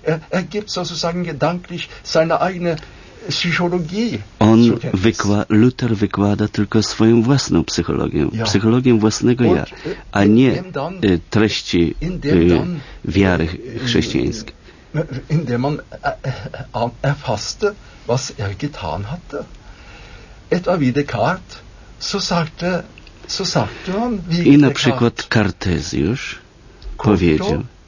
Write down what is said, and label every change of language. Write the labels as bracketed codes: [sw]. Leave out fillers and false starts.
[de] Er gibt sozusagen gedanklich seine eigene Psychologie. [pl] On Luther wykłada tylko swoją własną psychologię, psychologię własnego ja, a nie treści wiary chrześcijańskiej. [de] Indem man erfasste, was er getan hatte. Etwa wie Descartes, so sagte man, wie [pl] Descartes. I na przykład Kartezjusz powiedział: